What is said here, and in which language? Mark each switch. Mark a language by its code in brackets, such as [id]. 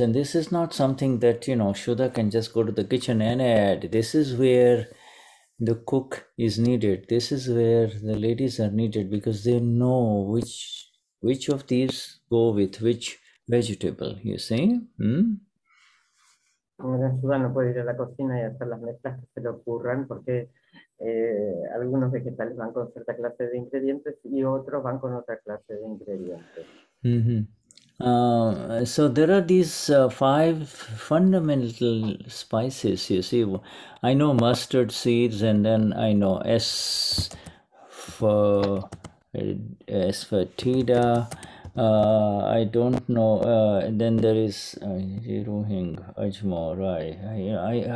[en] And this is not something that, you know, Shuddha can just go to the kitchen and add. This is where the cook is needed. This is where the ladies are needed because they know which of these go with which vegetable, you see? Hmm? [es] La ciudad no puede ir a la cocina y hacer las mezclas que se le ocurran porque algunos vegetales van con cierta clase de ingredientes y otros van con otra clase de ingredientes. Mm-hmm. [en] So there are these 5 fundamental spices, you see. I know mustard seeds and then I know asafoetida. I don't know. Then there is Jiruhing, Ajmer.